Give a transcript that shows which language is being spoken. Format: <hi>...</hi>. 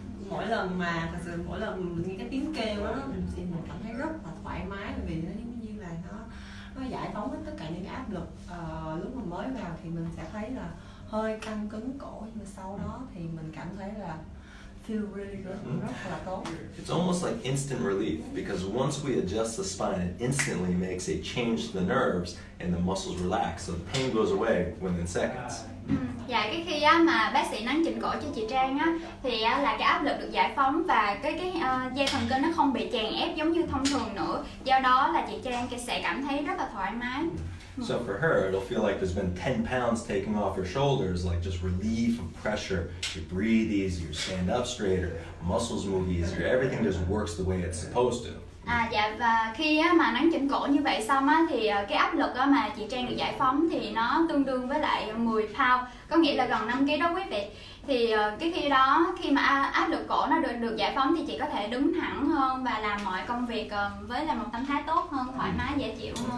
<vi>Mỗi lần mà thật sự mỗi lần mình nghe cái tiếng kêu á, mình cảm thấy rất là thoải mái, vì nó như là nó giải phóng hết tất cả những cái áp lực. Lúc mà mới vào thì mình sẽ thấy là hơi căng cứng cổ, nhưng mà sau đó thì mình cảm thấy là</vi> <en>feel really good,</en> <vi>rất là tốt.</vi> <en>It's almost like instant relief, because once we adjust the spine, it instantly makes a change to the nerves and the muscles relax, so the pain goes away within seconds.</en> <vi>Dạ, cái khi á mà bác sĩ nắn chỉnh cổ cho chị Trang á thì á, là cái áp lực được giải phóng và cái dây thần kinh nó không bị chèn ép giống như thông thường nữa. Do đó là chị Trang sẽ cảm thấy rất là thoải mái.</vi> <en>So for her, it'll feel like there's been 10 pounds taken off her shoulders, like just relief from pressure. You breathe easier, stand up straighter, muscles move easier, everything just works the way it's supposed to.</en> <vi>À dạ, và khi á, mà nắn chỉnh cổ như vậy xong á thì cái áp lực á, mà chị Trang được giải phóng thì nó tương đương với lại 10 pound, có nghĩa là gần 5 kg đó quý vị. Thì cái khi đó khi mà áp lực cổ nó được giải phóng thì chị có thể đứng thẳng hơn và làm mọi công việc với là một tâm thái tốt hơn, thoải mái, dễ chịu hơn.</vi>